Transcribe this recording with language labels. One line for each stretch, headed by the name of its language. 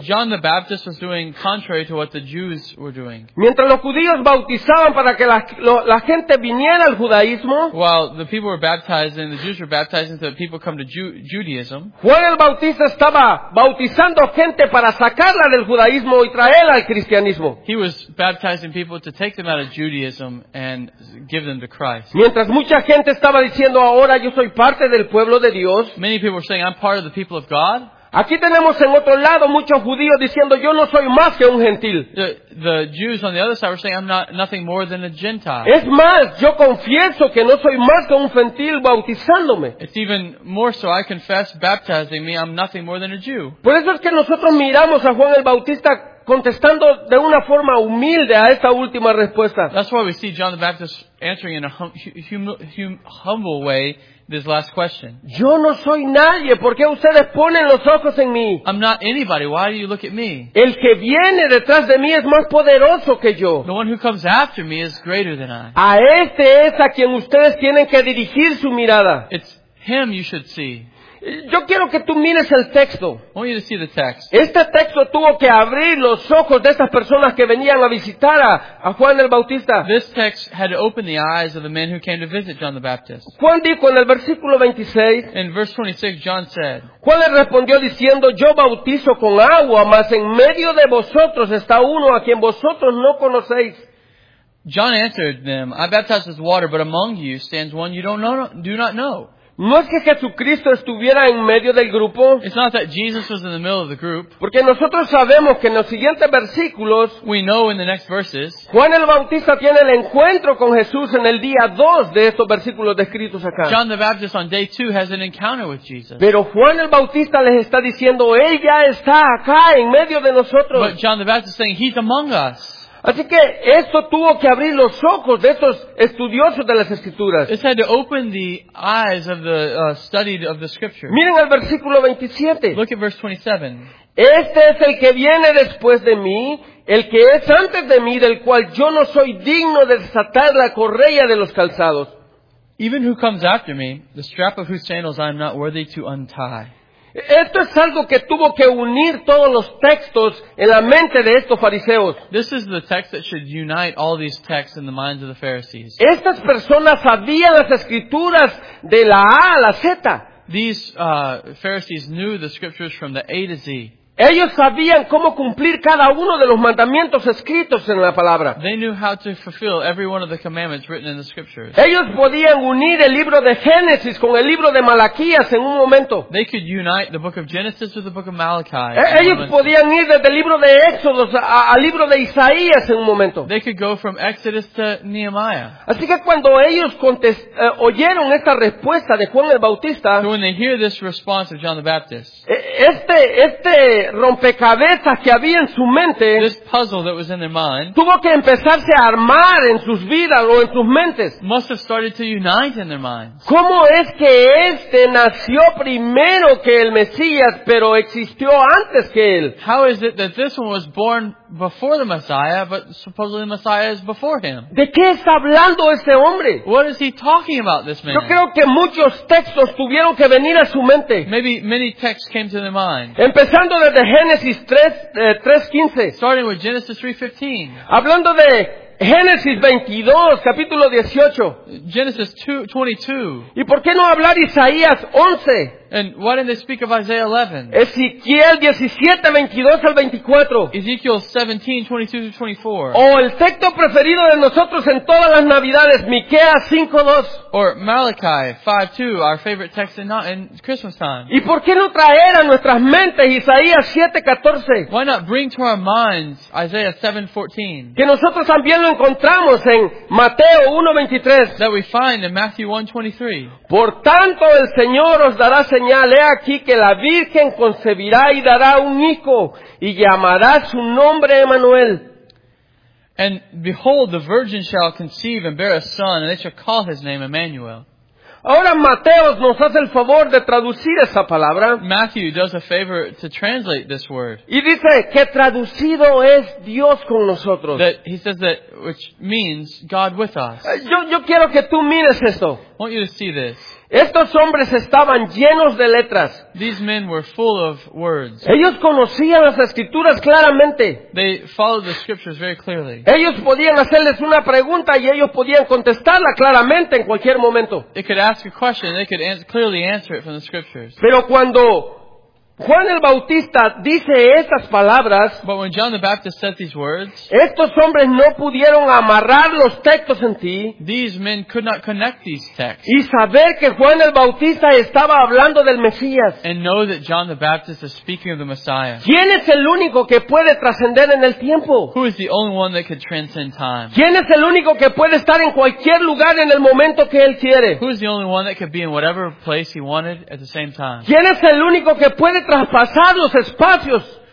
English: John the Baptist was doing contrary to what the Jews were doing.
Spanish: Mientras los judíos bautizaban para que la gente viniera al judaísmo,
English: while the people were baptizing, the Jews were baptizing so that people come to Judaism.
Spanish: Juan el Bautista estaba bautizando gente para sacarla del judaísmo y traerla al cristianismo.
English: He was baptizing people to take them out of Judaism and give them to Christ.
Spanish: Mientras mucha gente estaba diciendo, ahora yo soy parte del pueblo de Dios.
English: Many people are saying, I'm part of the people of God.
Spanish: Aquí tenemos en otro lado muchos judíos diciendo, yo no soy más que un gentil.
English: The Jews on the other side were saying, I'm nothing more than a Gentile.
Spanish: Es más, yo confieso que no soy más que un gentil bautizándome.
English: It's even more so, I confess, baptizing me, I'm nothing more than a Jew.
Spanish: Por eso es que nosotros miramos a Juan el Bautista contestando de una forma humilde a esta última respuesta.
English: That's why we see John the Baptist answering in a humble way this last question.
Spanish: Yo no soy nadie. ¿Por qué ustedes ponen los ojos en mí?
English: I'm not anybody. Why do you look at me?
Spanish: El que viene detrás de mí es más poderoso que yo.
English: The one who comes after me is greater than I.
Spanish: A este es a quien ustedes tienen que dirigir su mirada.
English: It's him you should see.
Spanish: Yo quiero que tú mires el texto.
English: I want you to see the text.
Spanish: Este texto tuvo que abrir los ojos de estas personas que venían a visitar a Juan el Bautista.
English: This text had to open the eyes of the men who came to visit John the Baptist.
Spanish: Juan dijo en el versículo 26.
English: In verse 26, John said.
Spanish: Juan le respondió diciendo, yo bautizo con agua, mas en medio de vosotros está uno a quien vosotros no conocéis.
English: John answered them, I baptize with water, but among you stands one you don't know, do not know.
Spanish: No es que Jesucristo estuviera en medio del grupo.
English: It's not that Jesus was in the middle of the group.
Spanish: Porque nosotros sabemos que en los siguientes versículos,
English: we know in the next verses,
Spanish: Juan el Bautista tiene el encuentro con Jesús en el día 2 de estos versículos descritos acá.
English: John the Baptist on day 2 has an encounter with Jesus.
Spanish: Pero Juan el Bautista les está diciendo, él ya está acá en medio de nosotros.
English: But John the Baptist is saying, he's among us.
Spanish: Así que esto tuvo que abrir los ojos de estos estudiosos de las Escrituras.
English: It had to open the eyes of the studied of the Scripture.
Spanish: Miren el versículo 27.
English: Look at verse 27.
Spanish: Este es el que viene después de mí, el que es antes de mí, del cual yo no soy digno de desatar la correa de los calzados.
English: Even who comes after me, the strap of whose sandals I am not worthy to untie.
Spanish: Esto es algo que tuvo que unir todos los textos en la mente de estos fariseos.
English: This is the text that should unite all these texts in the minds of the Pharisees.
Spanish: Estas personas sabían las escrituras de la A a la Z.
English: These Pharisees knew the scriptures from the A to Z.
Spanish: Ellos sabían cómo cumplir cada uno de los mandamientos escritos en la palabra.
English: They knew how to fulfill every one of the commandments written in the scriptures.
Spanish: Ellos podían unir el libro de Génesis con el libro de Malaquías en un momento.
English: They could unite the book of Genesis with the book of Malachi.
Spanish: Ellos podían ir desde el libro de Éxodo al libro de Isaías en un momento.
English: They could go from Exodus to Nehemiah.
Spanish: Así que cuando ellos oyeron esta respuesta de Juan el Bautista,
English: so when they hear this response of John the Baptist,
Spanish: este rompecabezas que había en su mente,
English: this puzzle that was in their mind,
Spanish: tuvo que empezarse a armar en sus vidas o en sus mentes.
English: Must have started to unite in their minds.
Spanish: ¿Cómo es que este nació primero que el Mesías, pero existió antes que él?
English: How is it that this one was born before the Messiah, but supposedly the Messiah is before him?
Spanish: ¿De qué está hablando este hombre?
English: What is he talking about, this man?
Spanish: Yo creo que muchos textos tuvieron que venir a su mente.
English: Maybe many texts came to their mind.
Spanish: Empezando desde Génesis 3:15.
English: Starting with Genesis 3:15.
Spanish: Hablando de Génesis 22, capítulo 18.
English: Genesis 2:22.
Spanish: ¿Y por qué no hablar Isaías 11?
English: And why didn't they speak of Isaiah 11?
Spanish: Ezequiel 17:22-24.
English: Ezekiel 17:22-24.
Spanish: O el texto preferido de nosotros en todas las Navidades, Miqueas 5:2.
English: Or Malachi 5:2, our favorite text in Christmas time.
Spanish: ¿Y por qué no traer a nuestras mentes Isaías 7:14?
English: Why not bring to our minds Isaiah 7:14?
Spanish: Que nosotros también lo encontramos en Mateo 1:23.
English: That we find in Matthew 1:23.
Spanish: Por tanto, el Señor os dará señal, he aquí que la Virgen concebirá y dará un hijo y llamará su nombre Emmanuel.
English: And behold, the virgin shall conceive and bear a son, and they shall call his name Emmanuel.
Spanish: Ahora Mateo nos hace el favor de traducir esa palabra.
English: Matthew does a favor to translate this word.
Spanish: Y dice que traducido es Dios con nosotros.
English: That he says that, which means God with us.
Spanish: Yo quiero que tú mires esto.
English: I want you to see this.
Spanish: Estos hombres estaban llenos de letras.
English: These men were full of words.
Spanish: Ellos conocían las escrituras claramente.
English: They followed the scriptures very clearly.
Spanish: Ellos podían hacerles una pregunta y ellos podían contestarla claramente en cualquier momento.
English: They could ask a question and they could clearly answer it from the scriptures.
Spanish: Pero cuando Juan el Bautista dice estas palabras,
English: but when John the Baptist said these words,
Spanish: estos hombres no pudieron amarrar los textos en ti,
English: these men could not connect these texts,
Spanish: y saber que Juan el Bautista estaba hablando del Mesías,
English: and know that John the Baptist is speaking of the Messiah.
Spanish: ¿Quién es el único que puede trascender en el tiempo?
English: Who is the only one that could transcend time?
Spanish: ¿Quién es el único que puede estar en cualquier lugar en el momento que él quiere?
English: Who is the only one that could be in whatever place he wanted at the same time?
Spanish: ¿Quién es el único que puede traspasar los espacios?